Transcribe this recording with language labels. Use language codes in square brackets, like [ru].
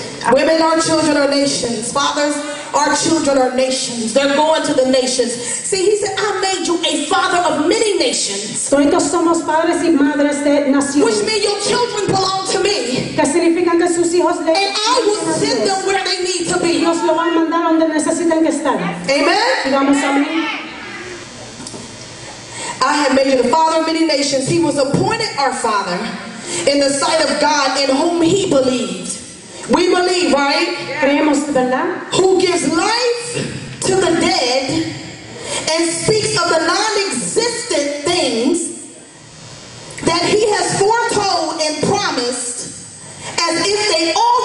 [en] Women, our children are nations. Fathers, our children are nations. They're going to the nations. See, he said, I made you a father of many nations. [es] Todos somos padres y madres de naciones. [en] Which means your children belong to me. [es] Que significan que sus hijos de [en] and I will send them where they need to be. [es] Dios lo va a mandar donde necesiten que estar. [en] Amen. I have made you the father of many nations. He was appointed our father in the sight of God in whom he believed. We believe, right? [es] Creemos, ¿verdad? [en] Who gives life to the dead and speaks of the non-existent things that he has foretold and promised as if they already